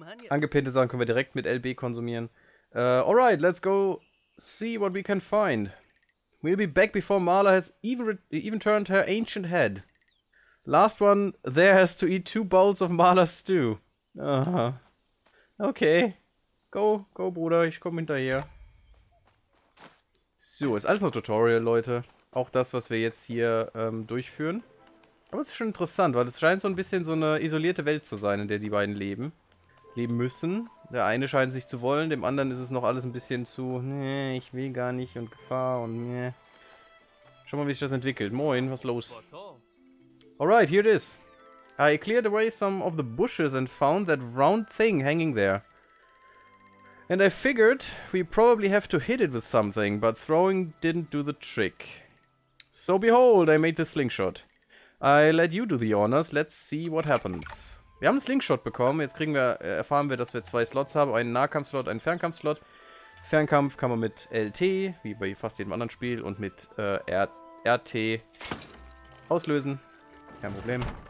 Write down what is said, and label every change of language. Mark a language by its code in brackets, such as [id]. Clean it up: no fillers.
[de] Angepinnte Sachen können wir direkt mit LB konsumieren. [en] Alright, let's go see what we can find. We'll be back before Marla has even turned her ancient head. Last one there has to eat 2 bowls of Marla's stew. [de] Aha. Okay. Go, Bruder. Ich komme hinterher. So, ist alles noch Tutorial, Leute. Auch das, was wir jetzt hier durchführen. Aber es ist schon interessant, weil es scheint so ein bisschen so eine isolierte Welt zu sein, in der die beiden leben. Leben müssen. Der eine scheint sich zu wollen, dem anderen ist es noch alles ein bisschen zu... Nee, ich will gar nicht und Gefahr und... Nee. Schau mal, wie sich das entwickelt. Moin, was ist los? [en] Alright, here it is. I cleared away some of the bushes and found that round thing hanging there. And I figured we probably have to hit it with something, but throwing didn't do the trick. So behold, I made the slingshot. I let you do the honors, let's see what happens. [de] Wir haben einen Slingshot bekommen, jetzt kriegen wir, erfahren wir, dass wir zwei Slots haben, einen Nahkampfslot, einen Fernkampfslot. Fernkampf kann man mit LT, wie bei fast jedem anderen Spiel, und mit RT auslösen. Kein Problem.